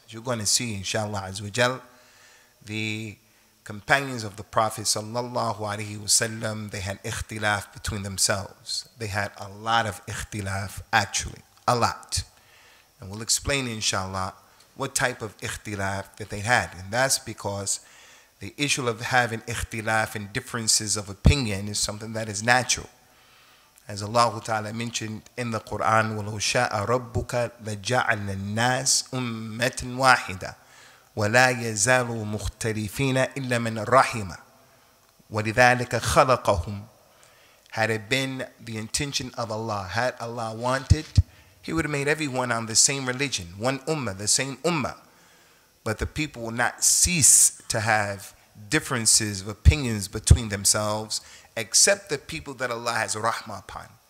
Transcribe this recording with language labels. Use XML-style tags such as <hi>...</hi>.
<en>As you're going to see, inshallah azwajal, the companions of the Prophet sallallahu alaihi wasallam, they had ikhtilaf between themselves. They had a lot of ikhtilaf, actually, a lot. And we'll explain, inshallah, what type of ikhtilaf that they had. And that's because the issue of having ikhtilaf and differences of opinion is something that is natural. As Allah Ta'ala mentioned in the Quran,</en> <ar>وَلَوْ شَاءَ رَبُّكَ لَجَعَلْنَا النَّاسَ أُمَّةً وَاحِدَةً وَلَا يَزَالُوا مُخْتَلِفِينَ إِلَّا مَنْ رَحِمَ وَلِذَٰلِكَ خَلَقَهُمْ.</ar> <en>Had it been the intention of Allah, had Allah wanted, He would have made everyone on the same religion, one ummah, the same ummah. But the people will not cease to have differences of opinions between themselves, except the people that Allah has rahmah upon.</en>